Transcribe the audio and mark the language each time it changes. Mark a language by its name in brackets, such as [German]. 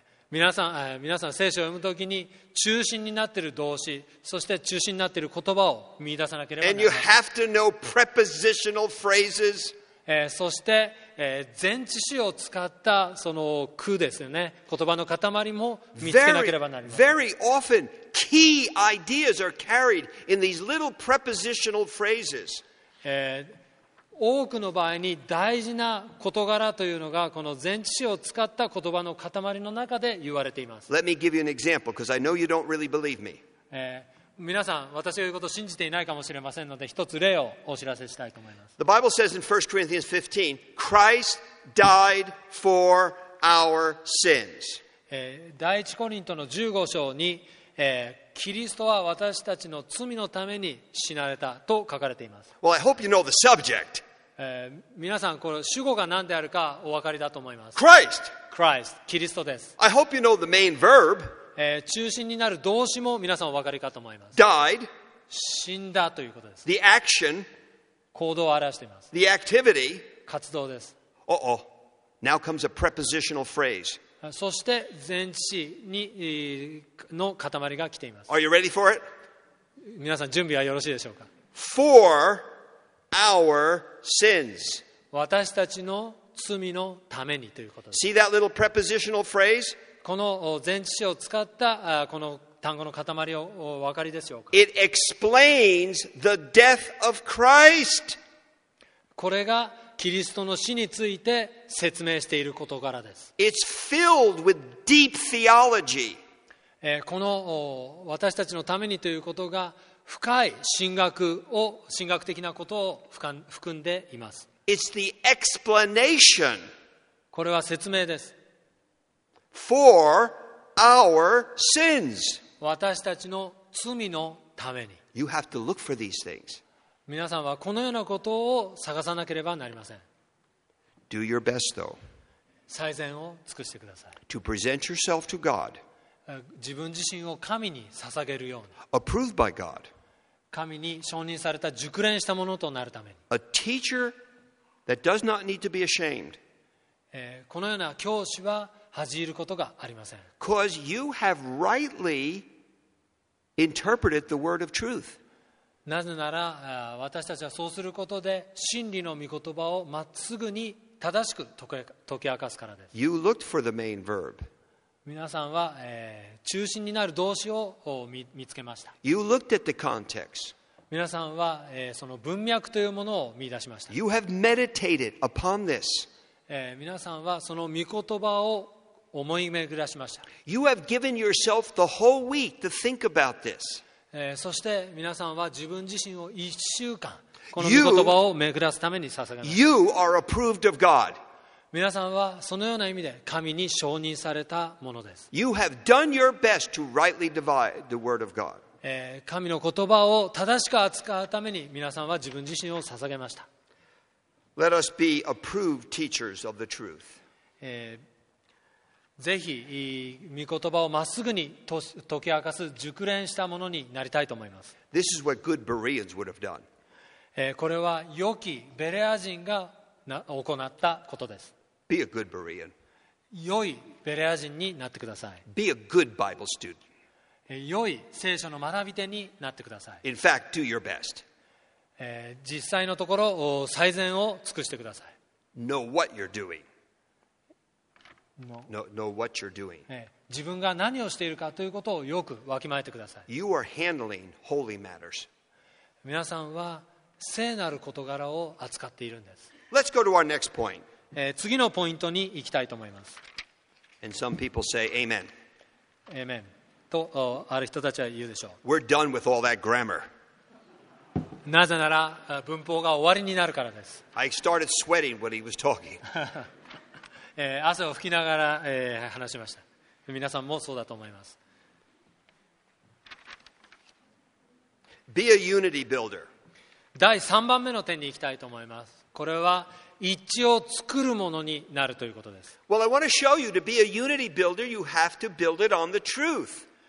[Japanese] 皆さん聖書を読むときに中心になっている動詞、そして中心になっている言葉を見出さなければならない。 [English] And you have to know prepositional phrases. [Japanese] そして前置詞を使ったその句ですよね、言葉の塊も見つけなければなりません。 [English] very often key ideas are carried in these little prepositional phrases. [Japanese] 多くの場合に大事な事柄というのがこの全知識を使った言葉の塊の中で言われています。 [English] Let me give you an example because I know you don't really believe me. [Japanese] 皆さん私が言うことを信じていないかもしれませんので一つ例をお知らせしたいと思います。 [English] The Bible says in 1 Corinthians 15 Christ died for our sins. [Japanese] 第一コリントの15章に、キリストは私たちの罪のために死なれたと書かれています。 [English] Well, I hope you know the subject. [Japanese] 皆さん、この主語が何であるかお分かりだと思います。 [English] Christ. [Japanese] Christ. キリストです。 [English] I hope you know the main verb. [Japanese] 中心になる動詞も皆さんお分かりかと思います。 [English] Died. [Japanese] 死んだということです。 [English] The action. [Japanese] 行動を表しています。 [English] The activity. [Japanese] 活動です。 [English] Uh-oh. Now comes a prepositional phrase. [Japanese] そして前置詞の塊が来ています。 [English] Are you ready for it? [Japanese] 皆さん準備はよろしいでしょうか。 [English] For our sins. [Japanese] 私たちの罪のためにということです。 [English] See that little prepositional phrase? [Japanese] この前置詞を使ったこの単語の塊をお分かりでしょうか。 [English] It explains the death of Christ. [Japanese] これがキリストの死について説明している事柄です。 [English] It's filled with deep theology. [Japanese] この私たちのためにということが深い神学的なことを含んでいます。 [English] It's the explanation. [Japanese] これは説明です。 [English] For our sins. [Japanese] 私たちの罪のために。 [English] You have to look for these things. [Japanese] 皆さんはこのようなことを探さなければなりません。 [English] Do your best, though, [Japanese] 最善を尽くしてください。 [English] To present yourself to God, [Japanese] 自分自身を神に捧げるように。 [English] Approved by God, [Japanese] 神に承認された熟練したものとなるために。 [English] A teacher that does not need to be ashamed, [Japanese] このような教師は恥じることがありません。 [English] Because you have rightly interpreted the word of truth. [Japanese] なぜなら私たちはそうすることで真理の御言葉をまっすぐに正しく解き明かすからです。 [English] You looked for the main verb. [Japanese] 皆さんは中心になる動詞を見つけました。 [English] You looked at the context. [Japanese] 皆さんはその文脈というものを見出しました。 [English] You have meditated upon this. [Japanese] 皆さんはその御言葉を思い巡らしました。 [English] You have given yourself the whole week to think about this. [Japanese] そして皆さんは自分自身を一週間この御言葉を巡らすために捧げます。 [English] You are approved of God. [Japanese] 皆さんはそのような意味で神に承認されたものです。 [English] You have done your best to rightly divide the word of God. [Japanese] 神の言葉を正しく扱うために皆さんは自分自身を捧げました。 [English] Let us be approved teachers of the truth. [Japanese] ぜひ御言葉をまっすぐに解き明かす熟練したものになりたいと思います。 [English] This is what good Bereans would have done. [Japanese] これは良きベレア人が行ったことです。 [English] Be a good Berean. [Japanese] 良いベレア人になってください。 [English] Be a good Bible student. [Japanese] 良い聖書の学び手になってください。 [English] In fact, do your best. [Japanese] 実際のところ最善を尽くしてください。 [English] Know what you're doing. No. Know what you're doing. [Japanese] 自分が何をしているかということをよくわきまえてください。 [English] You are handling holy matters. [Japanese] 皆さんは聖なる事柄を扱っているんです。 [English] Let's go to our next point. [Japanese] 次のポイントに行きたいと思います。 [English] And some people say amen. Amen. [Japanese] とある人たちは言うでしょう。 [English] We're done with all that grammar. [Japanese] なぜなら文法が終わりになるからです。 [English] I started sweating when he was talking. [Japanese] 汗を拭きながら話しました。皆さんもそうだと思います。 [English] Be a unity builder. [Japanese] 第3番目の点に行きたいと思います。これは一致を作るものになるということです。 [English] Well, I want to show you to be a unity builder, you have to build it on the truth.